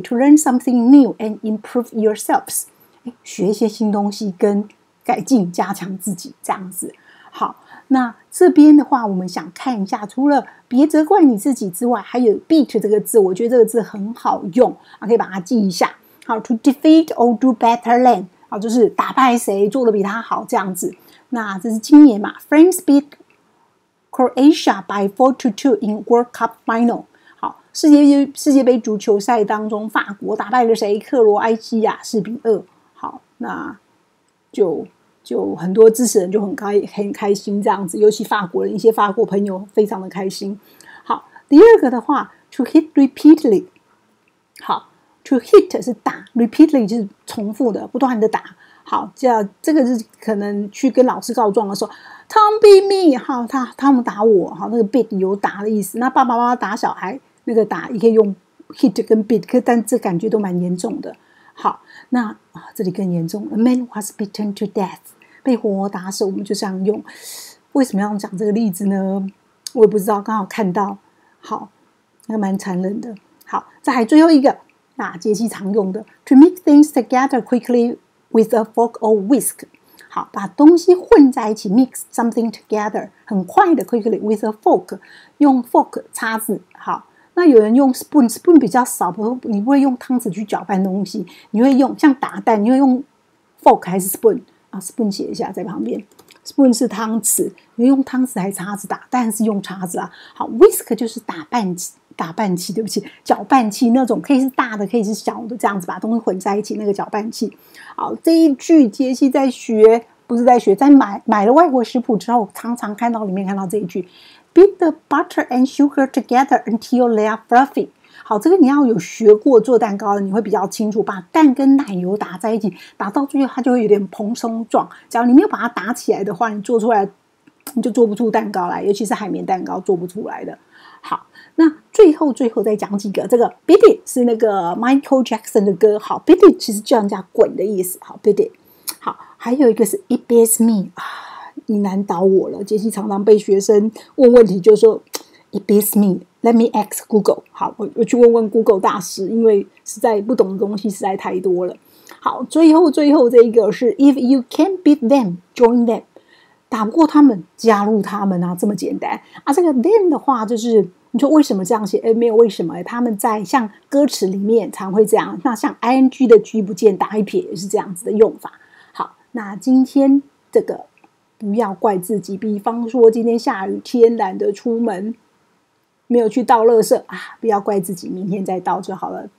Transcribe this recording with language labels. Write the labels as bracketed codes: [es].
[en] To learn something new and improve yourselves, [zh] 学一些新东西跟改进加强自己，这样子。好，那这边的话我们想看一下，除了别责怪你自己之外，还有 beat 这个字，我觉得这个字很好用，可以把它记一下。好， [en] to defeat or do better than， [zh] 就是打败谁做得比他好，这样子。 [en] 那这是今年嘛， France beat Croatia by 4-2 in World Cup final。 [zh] 好，世界杯足球赛当中，法国打败了谁？克罗埃西亚，4-2。好，那就很多支持人就很开心，这样子。尤其法国人，一些法国朋友非常的开心。好，第二个的话 [en] to hit repeatedly， [zh] 好， to hit 是打， repeatedly 就是重复的，不断的打。好，这个是可能去跟老师告状的时候， [en] Tom beat me， [zh] 好，他们打我，好，那个 beat 有打的意思。那爸爸妈妈打小孩，那个打也可以用 hit 跟 beat， 但这感觉都蛮严重的。好，那这里更严重。 [en] A man was beaten to death， [zh] 被活活打死。我们就这样用。为什么要讲这个例子呢？我也不知道，刚好看到。好，那蛮残忍的。好，再来最后一个，杰西常用的 ， [en] to mix things together quickly with a fork or whisk。 [zh] 好，把东西混在一起 ， [en] mix something together， [zh] 很快的 ， [en] quickly with a fork， [zh] 用 fork 叉子。好。那有人用 spoon 比较少，你不会用汤匙去搅拌东西，你会用像打蛋，你会用 fork 还是 spoon？啊 ，spoon 写一下在旁边 ，spoon 是汤匙，你会用汤匙还是叉子打？当然是用叉子啊。好 ，whisk 就是打拌器，对不起，搅拌器那种，可以是大的，可以是小的，这样子把东西混在一起，那个搅拌器。好，这一句杰西在学，不是在学，在买了外国食谱之后，常常看到里面看到这一句。 [en] Beat the butter and sugar together until they are fluffy. [zh] 好，这个你要有学过做蛋糕的，你会比较清楚。把蛋跟奶油打在一起，打到最后它就会有点蓬松状。只要你没有把它打起来的话，你做出来你就做不出蛋糕来，尤其是海绵蛋糕做不出来的。好，那最后再讲几个。这个 beat it 是那个 Michael Jackson 的歌。好 ，beat it 其实就人家滚的意思。好 ，beat it。好，还有一个是 [en] It beats me。 [zh] 你难倒我了，杰西常常被学生问问题，就说 [en] "It beats me." Let me ask Google. [zh] 好，我去问问 Google 大师，因为实在不懂的东西实在太多了。好，最后这一个是 [en] "If you can't beat them, join them." [zh] 打不过他们，加入他们啊，这么简单啊。这个 "them" 的话，就是你说为什么这样写？没有为什么，他们在像歌词里面常会这样。那像 "ing" 的 "g" 不见，打一撇也是这样子的用法。好，那今天这个。不要怪自己，比方说今天下雨天懒得出门，没有去倒垃圾啊，不要怪自己，明天再倒就好了。